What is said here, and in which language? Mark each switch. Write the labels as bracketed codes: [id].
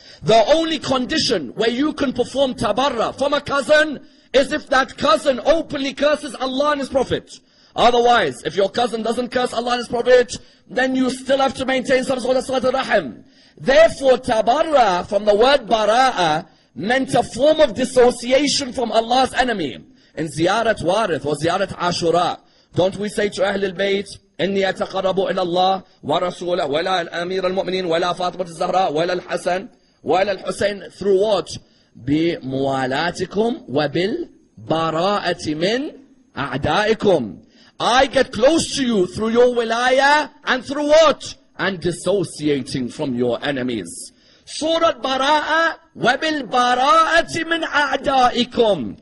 [en] The only condition where you can perform Tabarra from a cousin is if that cousin openly curses Allah and His Prophet. Otherwise, if your cousin doesn't curse Allah and His Prophet, then you still have to maintain some sort of Salat al-Rahim. Therefore, Tabarra from the word Bara'a meant a form of dissociation from Allah's enemy. In Ziyarat Warith or Ziyarat Ashura, don't we say to Ahlul Bayt, [ar] إِنِّي أَتَقَرَّبُ إِلَى اللَّهِ وَرَسُولَهُ وَلَا الْأَمِيرَ الْمُؤْمِنِينَ وَلَا فَاطِمَةَ الزَّهْرَاءَ وَلَا الْحَسَنَ وَلَا الْحُسَيْنَ. [en] Through what? [ar] بِمُوَالَاتِكُمْ وَبِالْبَرَاءَةِ مِنْ أَعْدَائِكُمْ. [en] I get close to you through your wilaya and through what? And dissociating from your enemies. [ar] Surah Bara'a, وَبِالْبَرَاءَةِ مِنْ أَعْدَائِكُمْ.